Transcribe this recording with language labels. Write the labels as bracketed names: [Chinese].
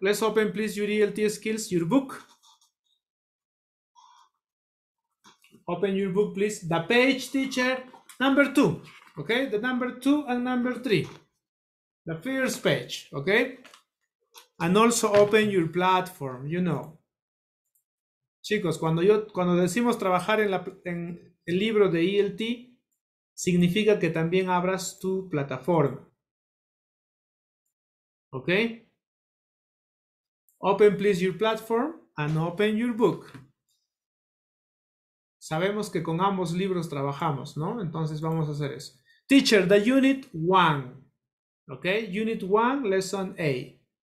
[English] Let's open, please, your ELT skills, your book. Open your book, please. The page, teacher, number two. Okay, the number two and number three. The first page, okay? And also open your platform, you know. [Spanish] Chicos, cuando decimos trabajar en el libro de ELT, significa que también abras tu plataforma. [English] Okay? Open, please, your platform and open your book. [Spanish] Sabemos que con ambos libros trabajamos, ¿no? Entonces vamos a hacer eso. [English] Teacher, the unit one. Okay? Unit one, lesson A.